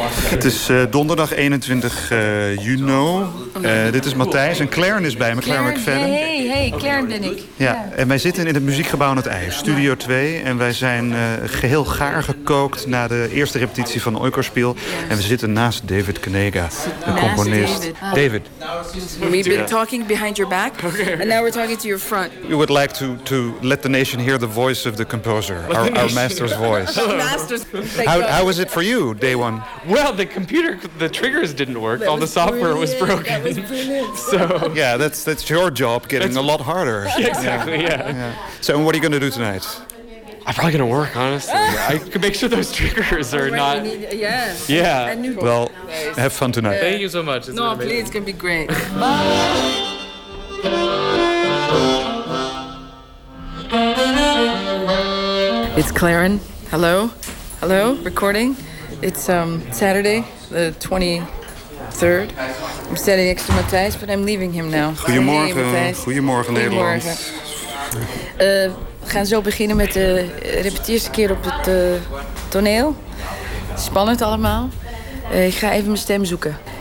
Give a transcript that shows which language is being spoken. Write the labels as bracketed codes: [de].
[nl] Het is donderdag 21 juni. Dit is Matthijs en Claren is bij me. Claren McFadden. Hey, Claren ben ik. Ja, en wij zitten in het Muziekgebouw aan het IJ, Studio 2. En wij zijn geheel gaar gekookt na de eerste repetitie van Oikospiel. En we zitten naast David Kanaga, de componist. David. [en] We've been talking behind your back. Okay. And now we're talking to your front. You would like to let the nation hear the voice of the composer. Our master's voice. Master's. How was it for you, day one? Well, the computer, the triggers didn't work. All the software was broken. So yeah, that's your job getting a lot harder. Exactly. So what are you going to do tonight? I'm probably going to work, honestly. I could make sure those triggers are not... Yes. Yeah. Well, have fun tonight. Yeah. Thank you so much. No, please, it's going to be great. Bye. It's Claren. Hello. Hello. Recording. It's Saturday, the 23rd. I'm standing next to Matthijs, but I'm leaving him now. [nl] Goedemorgen, hey, goedemorgen Nederland. gaan zo beginnen met de repetitie keer op het toneel. Spannend allemaal. Ik ga even mijn stem zoeken.